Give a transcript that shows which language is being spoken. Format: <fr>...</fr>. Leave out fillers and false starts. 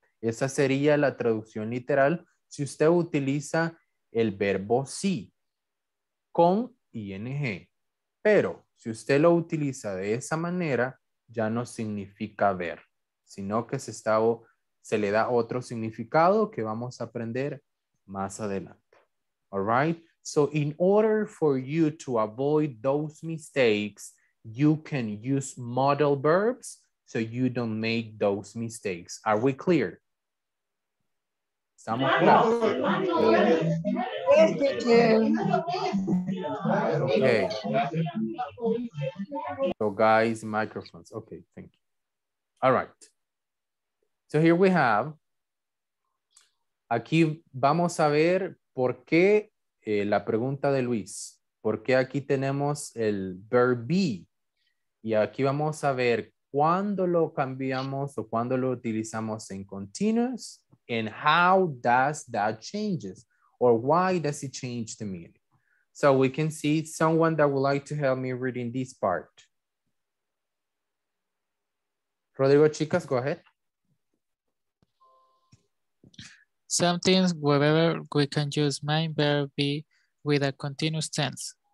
<es>Esa sería la traducción literal si usted utiliza el verbo see con ing. Pero si usted lo utiliza de esa manera, ya no significa ver, sino que se le da otro significado que vamos a aprender más adelante.</es> <en>All right? So in order for you to avoid those mistakes, you can use model verbs so you don't make those mistakes. Are we clear?</en> <es>¿Estamos claros?</es> <en>Okay. So guys, microphones. Okay, thank you. All right. So here we have.</en> <es>Aquí vamos a ver por qué la pregunta de Luis. ¿Por qué aquí tenemos el verb be? Y aquí vamos a ver cuándo lo cambiamos o cuándo lo utilizamos en continuous.</es> <en>And how does that changes? Or why does it change the meaning? So we can see someone that would like to help me reading this part. Rodrigo Chicas, go ahead. Sometimes, wherever we can use main verb be with a continuous tense.</en>